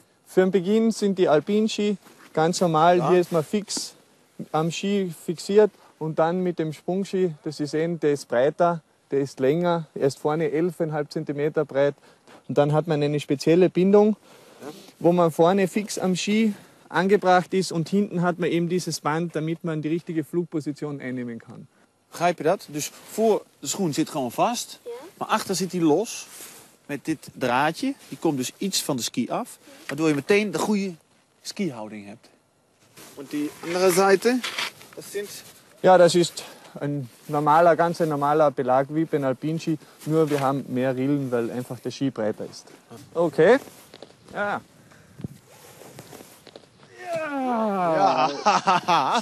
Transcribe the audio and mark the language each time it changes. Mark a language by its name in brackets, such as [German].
[German] Für den Beginn sind die Alpinski ganz normal. Ja. Hier ist man fix am Ski fixiert und dann mit dem Sprungski, das ist eben, der ist breiter. Der ist länger, er ist vorne 11,5 cm breit und dann hat man eine spezielle Bindung, wo man vorne fix am Ski angebracht ist und hinten hat man eben dieses Band, damit man die richtige Flugposition einnehmen kann. [Dutch] Begrijp je dat? Dus voor de schoen zit gewoon vast, ja. Maar achter zit hij los met dit draadje. Die komt dus iets van de ski af, waardoor je meteen de goede skihouding hebt. [German] Und die andere Seite, das sind... Ja, das ist... Ein normaler, ganz ein normaler Belag wie beim Alpinski, nur wir haben mehr Rillen, weil einfach der Ski breiter ist. Okay. Ja. Ja.